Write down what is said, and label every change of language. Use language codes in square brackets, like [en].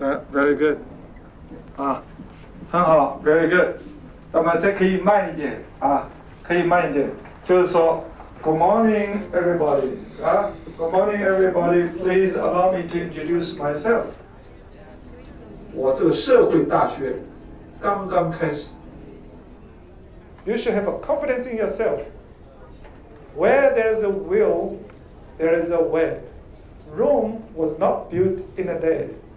[en] Very good. [zh] 很好, [en] very good. [zh] 那么再可以慢一点。就是说, [en] good morning, everybody. Good morning, everybody. Please allow me to introduce myself. [zh] 我这个社会大学, 刚刚开始。 [en] You should have a confidence in yourself. Where there is a will, there is a way. Rome was not built in a day.